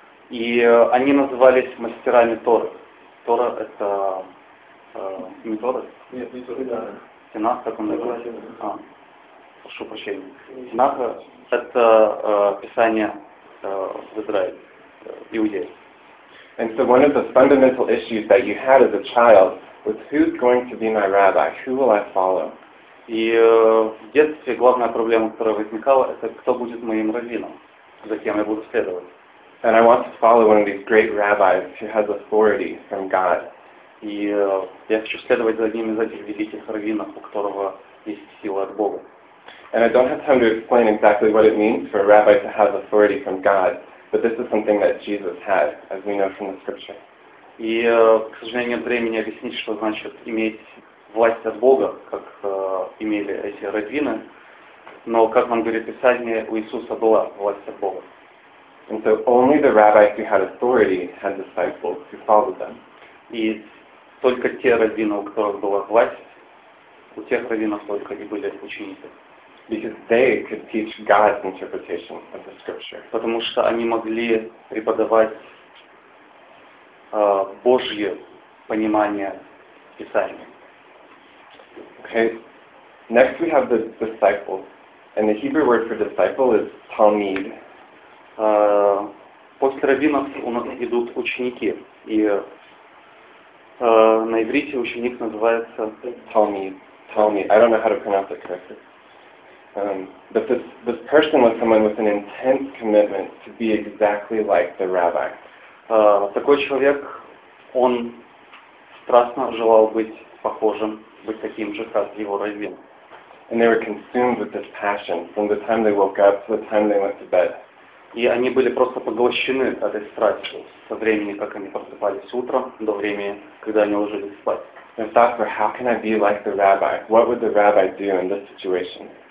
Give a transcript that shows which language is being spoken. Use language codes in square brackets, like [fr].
[ru] И они назывались мастерами Торы. Тора — это не Тора? Нет, не Тора. Тинах, как он назывался? Прошу прощения. Тинах — это писание в Израиле, в Иудее. [en] And so one of the fundamental issues that you had as a child was who's going to be my rabbi? Who will I follow? [ru] И в детстве главная проблема, которая возникала, это кто будет моим раввином, за кем я буду следовать. [en] And I want to follow one of these great rabbis who has authority from God. [ru] И я хочу следовать за одним из этих великих раввинов, у которого есть сила от Бога. [en] And I don't have time to explain exactly what it means for a rabbi to have authority from God, but this is something that Jesus had, as we know from the scripture. [ru] И, к сожалению, нет времени объяснить, что значит иметь власть от Бога, как имели эти раввины, но, как нам говорит Писание, у Иисуса была власть от Бога. [en] And so only the rabbis who had authority had disciples who followed them. [ru] И только те раввины, у которых была власть, у тех раввинов только и были ученики. [en] Because they could teach God's interpretation of the scripture. [ru] Потому что они могли преподавать Божье понимание Писания. [en] Okay. Next we have the disciple. And the Hebrew word for disciple is Talmid. [ru] После раввинов у нас идут ученики. И на иврите ученик называется [he] Talmid. [en] I don't know how to pronounce it correctly. But this person was someone with an intense commitment to be exactly like the rabbi. [ru] Такой человек, он страстно желал быть похожим, быть таким же, как его раввин. [en] And they were consumed with this passion from the time they woke up to the time they went to bed. [ru] И они были просто поглощены этой страстью со времени, как они просыпались утром, до времени, когда они ложились спать. [en] And thought for how can I be like the rabbi? What would the rabbi do in this situation?